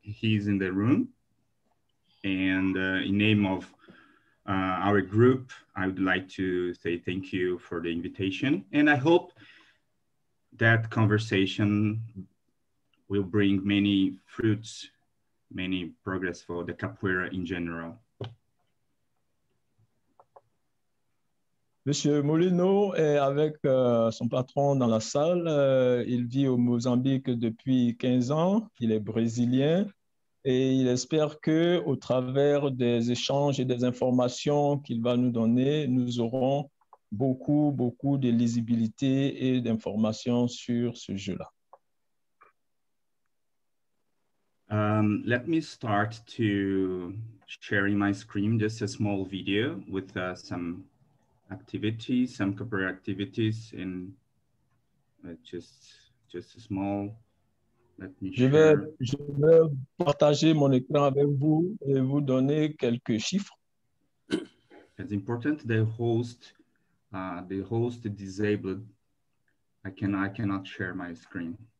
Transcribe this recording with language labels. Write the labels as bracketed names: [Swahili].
[English] He's in the room. And in name of our group, I would like to say thank you for the invitation. And I hope that conversation will bring many fruits, many progress for the capoeira in general. [French] Monsieur Molino est avec son patron dans la salle. Il vit au Mozambique depuis 15 ans. Il est brésilien et il espère que, au travers des échanges et des informations qu'il va nous donner, nous aurons beaucoup, beaucoup de lisibilité et d'informations sur ce jeu-là. [English] Let me start to sharing my screen. Just a small video with some activities, some corporate activities, and just a small. Let me share. [French] Je vais partager mon écran avec vous et vous donner quelques chiffres. [English] It's important. The host disabled. I cannot share my screen.